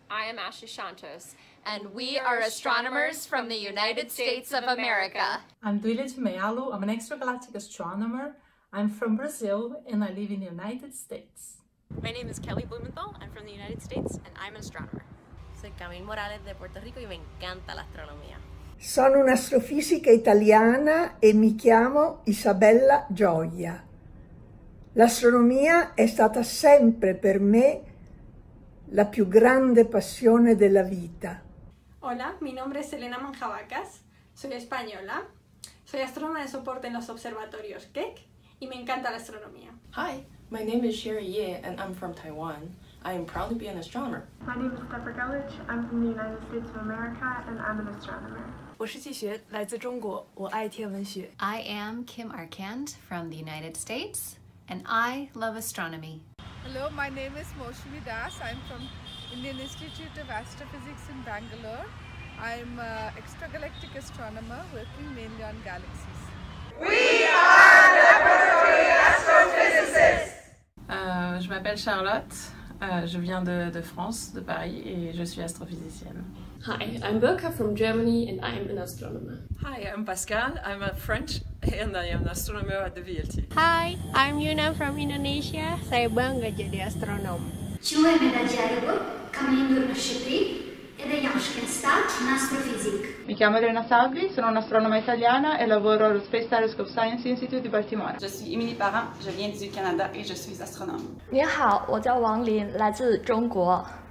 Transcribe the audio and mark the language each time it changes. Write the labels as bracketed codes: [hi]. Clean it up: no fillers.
[en] I am Asha Shantos, and we are astronomers from the United States of America. I'm Duilio de Mello. I'm an extragalactic astronomer. I'm from Brazil, and I live in the United States. My name is Kelly Blumenthal. I'm from the United States, and I'm an astronomer. [es] Soy Camille Morales de Puerto Rico, y me encanta la astronomía. [it] Sono un'astrofisica italiana e mi chiamo Isabella Gioia. L'astronomia è stata sempre per me la più grande passione della vita. [es] Hola, mi nombre es Elena Manjabacas, soy española. Soy astrónoma de soporte en los observatorios KEK y me encanta la astronomía. [en] Hi, my name is Sherry Ye and I'm from Taiwan. I am proud to be an astronomer. My name is Pepper Gellich. I'm from the United States of America and I'm an astronomer. [zh] 我是季学, 来自中国, 我爱天文学。 [en] I am Kim Arkand from the United States, and I love astronomy. Hello, my name is Moshumi Das. I'm from Indian Institute of Astrophysics in Bangalore. I'm an extragalactic astronomer working mainly on galaxies. We are laboratory astrophysicists! [fr] Je m'appelle Charlotte. Je viens de France, de Paris, et je suis astrophysicienne. [en] Hi, I'm Birka from Germany, and I'm an astronomer. Hi, I'm Pascal. I'm a French, and I am an astronomer at the VLT. Hi, I'm Yuna from Indonesia. [id] Saya bangga jadi astronom. Cue menajaribu, kami indurnasyutri, ed è Jamschkenstadt in astrophysic. [it] Mi chiamo Elena Salvi, sono un'astronoma italiana e lavoro allo Space Telescope Science Institute di Baltimora. [fr] Je suis Emily Parrain, je viens du Canada et je suis astronome. [zh] 你好，我叫王林，来自中国。